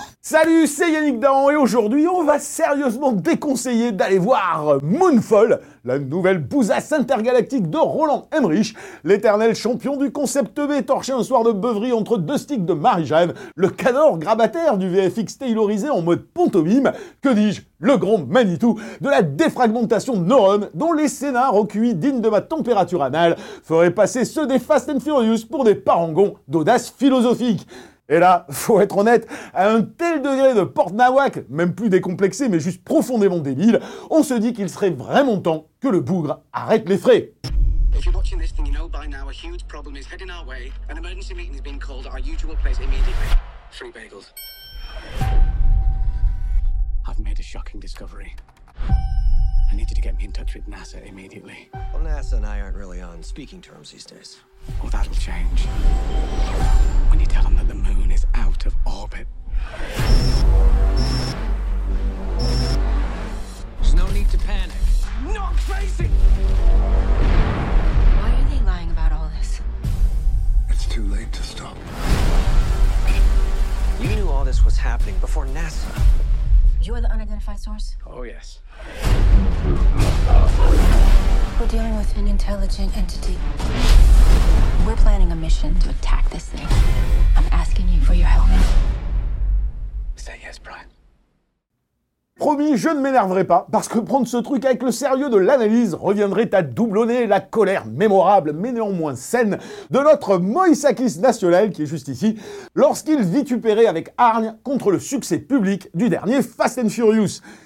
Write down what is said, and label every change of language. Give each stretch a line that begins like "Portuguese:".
French: Salut, c'est Yannick Dahan et aujourd'hui, on va sérieusement déconseiller d'aller voir Moonfall, la nouvelle bousasse intergalactique de Roland Emmerich, l'éternel champion du concept B torché un soir de beuverie entre deux sticks de Marie-Jeanne, le cador grabataire du VFX tailorisé en mode pantomime, que dis-je, le grand Manitou, de la défragmentation de neurones dont les scénars recuits dignes de ma température anale feraient passer ceux des Fast and Furious pour des parangons d'audace philosophique. Et là, faut être honnête, à un tel degré de porte-nawak, même plus décomplexé, mais juste profondément débile, on se dit qu'il serait vraiment temps que le bougre arrête les frais.
English: If you're watching this, then you know by now a huge problem is heading our way. An emergency meeting is being called at our usual place immediately. Three bagels. I've made a shocking discovery. I need you to get me in touch with NASA immediately. Well, NASA and I aren't really on speaking terms these days. Well, that'll change. When you tell them that the moon is out of orbit. There's no need to panic. Not crazy! Why are they lying about all this? It's too late to stop. You knew all this was happening before NASA. You are the unidentified source? Oh, yes. We're dealing with an intelligent entity. We're planning a mission to attack this thing. I'm asking you for your help. Say yes, Brian.
French: Promis, je ne m'énerverai pas, parce que prendre ce truc avec le sérieux de l'analyse reviendrait à doublonner la colère mémorable, mais néanmoins saine, de notre Moïsakis national, qui est juste ici, lorsqu'il vitupérait avec hargne contre le succès public du dernier Fast and Furious.